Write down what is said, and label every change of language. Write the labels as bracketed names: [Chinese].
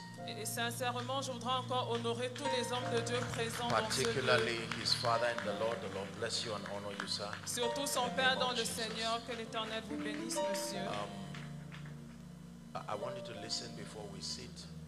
[French] Et sincèrement, je voudrais encore honorer tous les hommes de Dieu présents [English] particularly [French] dans ce [English] his father and the Lord bless you and honor you, sir. [French] Surtout son père dans le Seigneur, que l'Éternel vous bénisse, monsieur. [English] I want you to listen before we sit.